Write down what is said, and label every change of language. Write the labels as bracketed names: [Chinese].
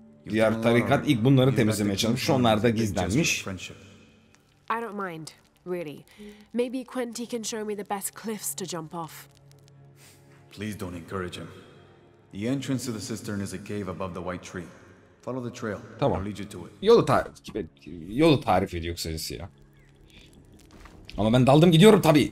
[Turkish] Diğer tarikat ilk bunları temizlemeye çalışmış. Onlar da gizlenmiş. [English] I don't mind, really. Maybe Quenti can show me the best cliffs to jump off. Please don't encourage him. The entrance to the cistern is a cave above the white tree. Follow the trail. [Turkish] Tamam. [English] I'll lead you to it. [Turkish] Yolu tarif ediyor sensi ya. Ama ben daldım gidiyorum tabii.